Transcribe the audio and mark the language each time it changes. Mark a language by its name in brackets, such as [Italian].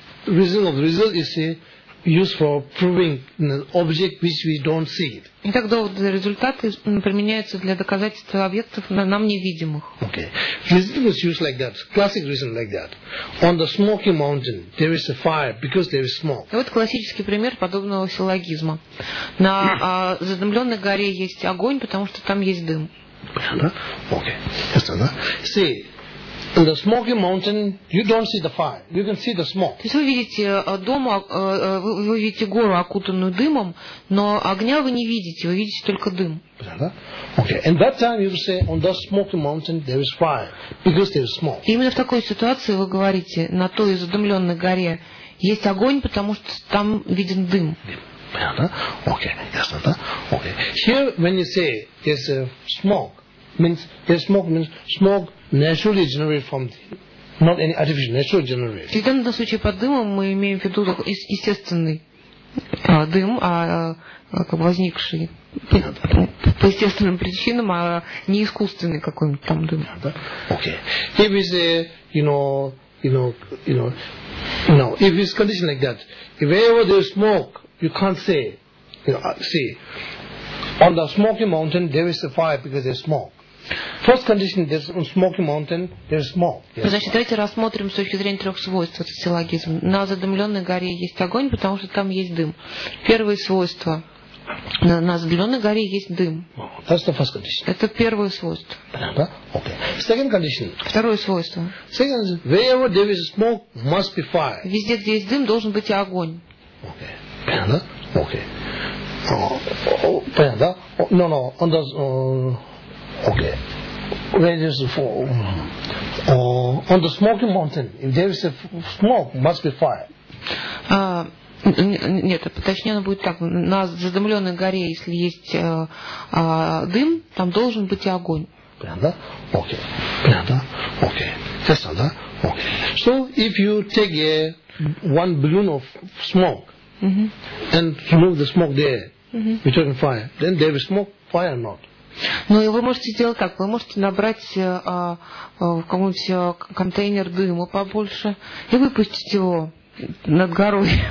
[English] Reasoning of the result is used for proving object which we don't see. [Russian] Итак, доводы результаты применяются для доказательства объектов нам невидимых. [English] Okay. Reasoning is used like that. Classic reason like that. On the smoky mountain, there is a fire because there is smoke. [Russian] И вот классический пример подобного силлогизма. На задымленной горе есть огонь, потому что там есть дым. Понятно? Okay. Ясно, да? See. [English] In the smoky mountain, you don't see the fire. You can see the smoke. [Russian] То есть вы видите дом, вы видите гору, окутанную дымом, но огня вы не видите, вы видите только дым. Да? Okay. [English] And that time you say, on the smoky mountain there is fire because there is smoke. [Russian] Именно в такой ситуации вы говорите, на той задымленной горе есть огонь, потому что там виден дым. Понятно? [English] Okay. [Russian] Ясно, да? [English] Okay. Here when you say there's a smoke. Means the smoke means smoke naturally generated from the, not any artificial, naturally generated. [Russian] И в данном случае под дымом мы имеем в виду естественный дым, а как бы возникший по естественным причинам, а не искусственный какой-нибудь там дым. Да. Okay. [English] If it's you know, if it's condition like that, if wherever there's smoke, you can't say, see, on the smoky mountain there is a fire because there's smoke. First condition, there's a smoky mountain, there's smoke. [Russian] Значит, давайте рассмотрим с точки зрения трех свойств этот силлогизм. На задымленной горе есть огонь, потому что там есть дым. Первое свойство. На задымленной горе есть дым. [English] That's the first condition. [Russian] Это первое свойство. Да? [English] Okay. Second condition. [Russian] Второе свойство. [English] Second, wherever there is smoke, must be fire. [Russian] Везде, где есть дым, должен быть и огонь. [English] Okay. [Russian] Да? [English] Okay. [Russian] Понятно, да? [English] No, no. On the, okay. Where there is on the smoky mountain, if there is a smoke, must be fire. [Russian] Нет, точнее, оно будет так. На задымленной горе, если есть дым, там должен быть и огонь. Понятно, да? Окей. Понятно, да? Окей. Ясно, да? Окей. [English] So, if you take one balloon of smoke and remove the smoke there, you're talking fire, then there is smoke, fire or not? [Russian] Ну, и вы можете сделать так. Вы можете набрать в каком-нибудь контейнер дыма побольше и выпустить его над горой.